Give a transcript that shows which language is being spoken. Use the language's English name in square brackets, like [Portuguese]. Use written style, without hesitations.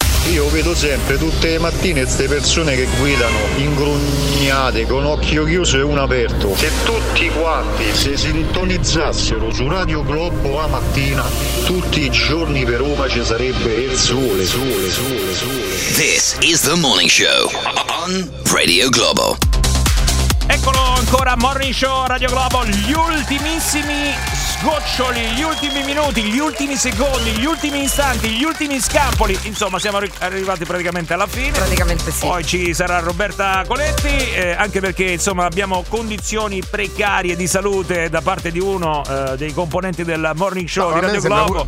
[Italian] Io vedo sempre tutte le mattine queste persone che guidano ingrugnate, con occhio chiuso e uno aperto. Se tutti quanti si sintonizzassero su Radio Globo la mattina, tutti i giorni per Roma ci sarebbe il sole. [English] This is the Morning Show on Radio Globo. [Italian] Eccolo ancora, Morning Show, Radio Globo, gli ultimissimi sgoccioli, gli ultimi minuti, gli ultimi secondi, gli ultimi istanti, gli ultimi scampoli. Insomma, siamo arrivati praticamente alla fine. Praticamente sì. Poi ci sarà Roberta Coletti, anche perché insomma abbiamo condizioni precarie di salute da parte di uno dei componenti del Morning Show di Radio Globo.